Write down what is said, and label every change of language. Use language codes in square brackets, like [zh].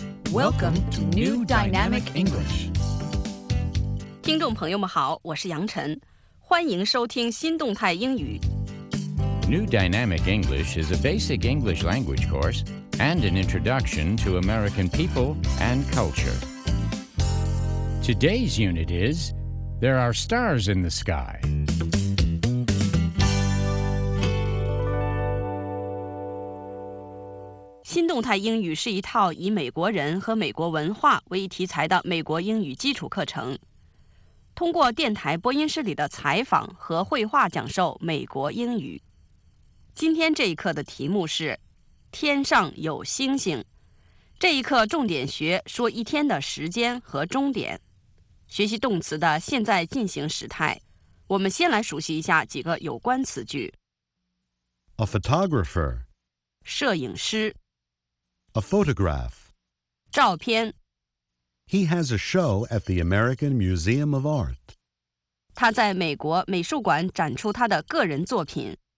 [en] Welcome to New Dynamic English. [zh] 听众朋友们好，我是杨晨，欢迎收听新动态英语。 [en] New Dynamic English is a basic English language course and an introduction to American people and culture. Today's unit is There Are Stars in the Sky. [zh] 新动态英语是一套以美国人和美国文化为题材的美国英语基础课程，通过电台播音室里的采访和绘画讲授美国英语。今天这一课的题目是天上有星星，这一课重点学说一天的时间和终点，学习动词的现在进行时态。我们先来熟悉一下几个有关词句。 [en] A photographer [zh] 摄影师。 [en] A photograph [zh] 照片。 [en] He has a show at the American Museum of Art. [zh] 他在美国美术馆展出他的个人作品。